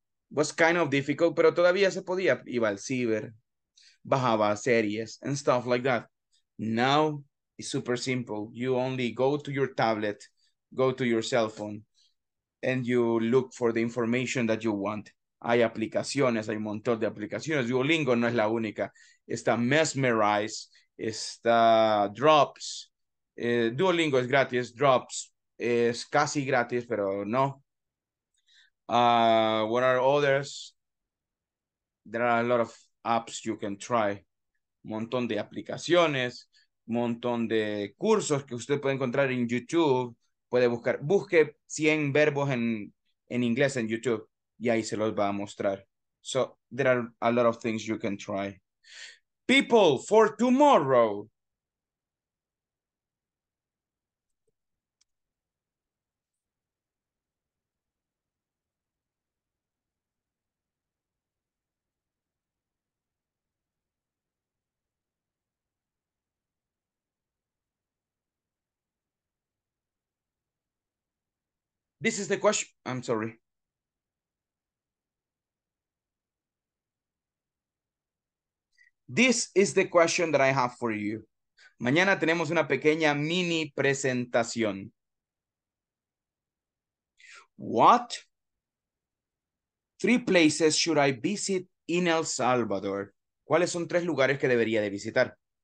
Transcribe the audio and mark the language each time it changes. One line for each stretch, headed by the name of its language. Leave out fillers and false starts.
English: Was kind of difficult,
Spanish: pero todavía se podía. Iba al ciber, bajaba series
English: and stuff like that. Now, it's super simple. You only go to your tablet, go to your cell phone, and you look for the information that you want.
Spanish: Hay aplicaciones, hay un montón de aplicaciones. Duolingo no es la única. Está Mesmerize, está Drops. Duolingo es gratis, Drops es casi gratis, pero no.
English: What are others? There are a lot of apps you can try.
Spanish: Montón de aplicaciones, montón de cursos que usted puede encontrar en YouTube. Puede buscar, busque 100 verbos en inglés en YouTube y ahí se los va a mostrar.
English: So, there are a lot of things you can try. People, for tomorrow. This is the question. I'm sorry. This is the question that I have for you.
Spanish: Mañana tenemos una pequeña mini presentación.
English: What three places should I visit in El Salvador?
Spanish: ¿Cuáles son tres lugares que debería de visitar?